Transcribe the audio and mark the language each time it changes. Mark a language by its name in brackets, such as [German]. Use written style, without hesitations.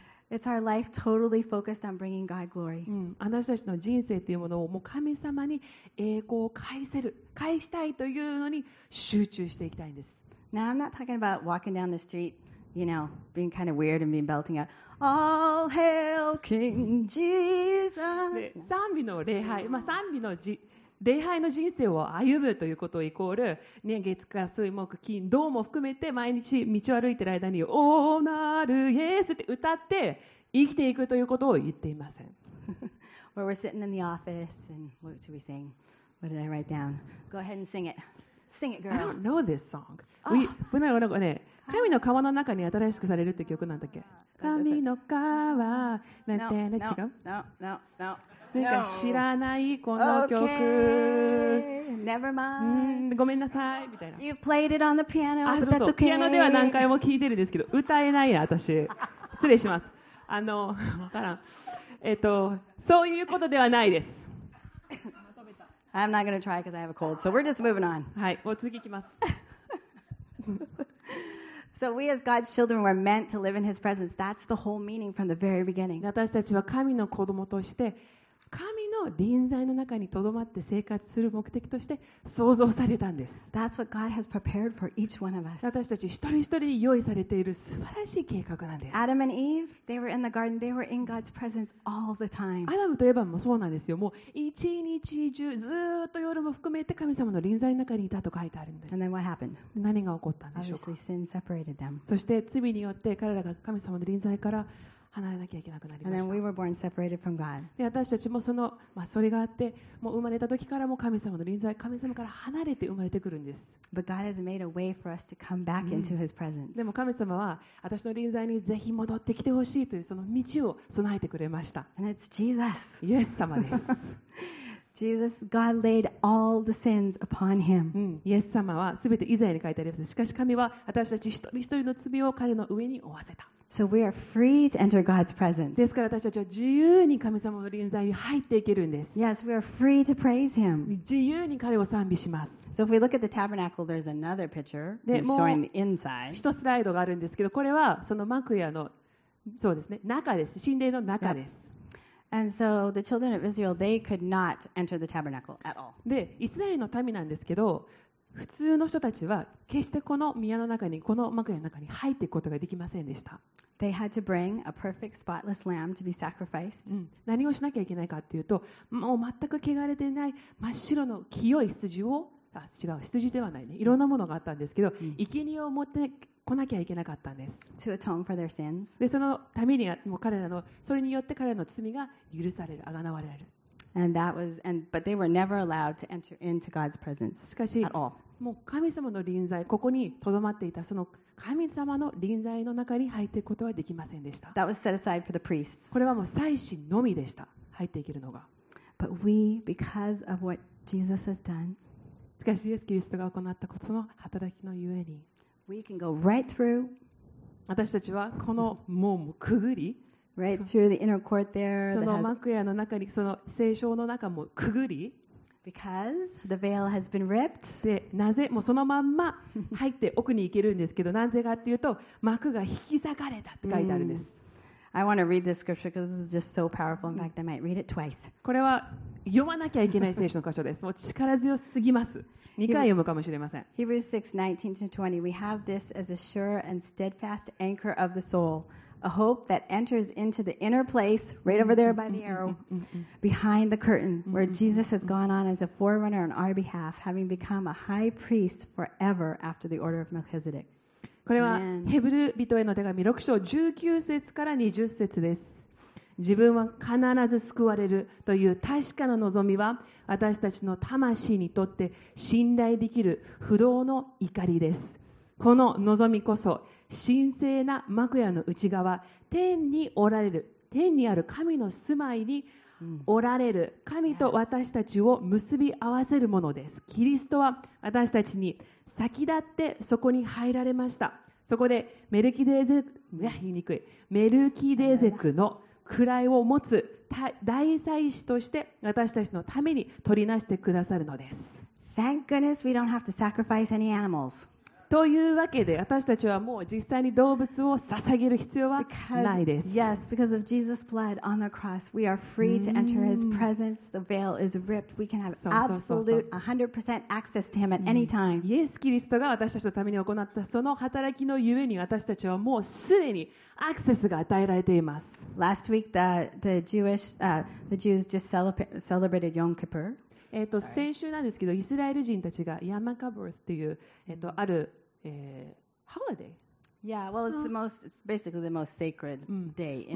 [English] It's our life totally focused on bringing God glory. [Japanese] 私たちの人生というものをもう神様に栄光を返せる、返したいというのに集中していきたいんです。 [English] Now I'm not talking about walking down the street. You know, being kind of weird and being belting out, All hail King Jesus. [Japanese] 賛美の礼拝、まあ、賛美の礼拝の人生を歩むということイコール、ね、月火水木金土も含めて毎日道を歩いている間に、おーなるイエスって歌って生きていくということを言っていません。 [English] Where we're sitting in the office and what should we sing? What did I write down? Go ahead and sing it. Sing it, girl. I don't know this song. We're not going to go there. [Japanese] 神の川の中に新しくされるって曲なんだっけ？神の川なんてね、違う？ [English] No, no, no, no, no. [Japanese] なんか知らないこの曲。 [English] Okay, never mind. [Japanese] ごめんなさいみたいな。 [English] You played it on the piano, but that's okay. [Japanese] ピアノでは何回も聴いてるんですけど、歌えないや私。失礼します。分からん。そういうことではないです。 [English] I'm not gonna try because I have a cold. So we're just moving on. [Japanese] はい、もう続きいきます。 [English] So we as God's children were meant to live in His presence. That's the whole meaning from the very beginning. [Japanese] 私たちは神の子供として神の臨在の中にとどまって生活する目的として創造されたんです。 [English] That's what God has prepared for each one of us. [Japanese] 私たち一人一人に用意されている素晴らしい計画なんです。 [English] Adam and Eve, they were in the garden. They were in God's presence all the time. [Japanese] アダムとエヴァもそうなんですよ。もう一日中ずっと夜も含めて神様の臨在の中にいたと書いてあるんです。 [English] And then what happened? [Japanese] 何が起こったんでしょうか。 [English] Obviously, sin separated them. [Japanese] そして罪によって彼らが神様の臨在から離れなきゃいけなくなりました。 [English] And then we were born separated from God. [Japanese] で私たちもその、まあ、それがあってもう生まれた時からも神様の臨在、神様から離れて生まれてくるんです。 [English] But God has made a way for us to come back into His presence. [Japanese] でも神様は私の臨在にぜひ戻ってきてほしいというその道を備えてくれました。 [English] And it's Jesus. [Japanese] イエス様です。 [English] Jesus, God laid all the sins upon him. [Japanese] イエス様はすべてイザヤに書いてあります。しかし神は私たち一人一人の罪を彼の上に負わせた。 [English] So we are free to enter God's presence. [Japanese] ですから私たちは自由に神様の臨在に入っていけるんです。 [English] Yes, we are free to praise him. [Japanese] 自由に彼を賛美します。 [English] So if we look at the tabernacle, there's another picture showing the inside. [Japanese] 一スライドがあるんですけど、これはその幕屋のそうですね、中です。神殿の中です。 [English] Yep. And so the children of Israel, they could not enter the tabernacle at all. [Japanese] で、イスラエルの民なんですけど、普通の人たちは決してこの宮の中に、この幕屋の中に入っていくことができませんでした。 [English] They had to bring a perfect, spotless lamb to be sacrificed. [Japanese] 何をしなきゃいけないかっていうと、もう全く汚れていない真っ白の清い羊をあ、違う、羊ではないね。いろんなものがあったんですけど、生贄を持って来なきゃいけなかったんです。 [English] To atone for their sins. [Japanese] で、そのためにもう彼らの、それによって彼らの罪が許される、贖われる。 [English] And that was, and, but they were never allowed to enter into God's presence [Japanese] しかし、 [English] at all. [Japanese] もう神様の臨在、ここに留まっていた、その神様の臨在の中に入っていくことはできませんでした。 [English] That was set aside for the priests. [Japanese] これはもう祭司のみでした。入っていけるのが。 [English] But we, because of what Jesus has done, [Japanese] しかし、イエス・キリストが行ったことの働きのゆえに、 [English] we can go right through, [Japanese] 私たちはこの門をくぐり、 [English] right through the inner court there, [Japanese] その幕屋の中に、その聖書の中もくぐり、 [English] because the veil has been ripped. [Japanese] で、なぜ、もうそのまんま入って奥に行けるんですけど、なぜかっていうと、幕が引き裂かれたって書いてあるんです。 [English] I want to read this scripture because this is just so powerful. In fact, I might read it twice. [Japanese] これは読まなきゃいけない聖書の箇所です。もう力強すぎます。 2回読むかもしれません。 [English] Hebrews 6:19-20. We have this as a sure and steadfast anchor of the soul, a hope that enters into the inner place, right over there by the arrow, behind the curtain, where Jesus has gone on as a forerunner on our behalf, having become a high priest forever after the order of Melchizedek. [Japanese] これはヘブル人への手紙6章19節から20節です。自分は必ず救われるという確かな望みは私たちの魂にとって信頼できる不動の怒りです。この望みこそ神聖な幕屋の内側、天におられる、天にある神の住まいにおられる神と私たちを結び合わせるものです。キリストは私たちに先立ってそこに入られました。そこでメルキデゼク、いや言いにくい、メルキデゼクの位を持つ大祭司として私たちのために取りなしてくださるのです。 [English] Thank goodness we don't have to sacrifice any animals. [Japanese] というわけで私たちはもう実際に動物を捧げる必要はないです。 [English] Yes, because of Jesus' blood on the cross, we are free to enter his presence. The veil is ripped. We can have absolute 100% access to him at any time. [Japanese] イエス・キリストが私たちのために行ったその働きのゆえに私たちはもうすでにアクセスが与えられています。 [English] Last week the Jews just celebrated Yom Kippur. [Japanese] 先週なんですけど、イスラエル人たちがヤマカブルっていう、ある、ホリデ [English] ー、yeah, well, it's the most, it's basically the most sacred day in their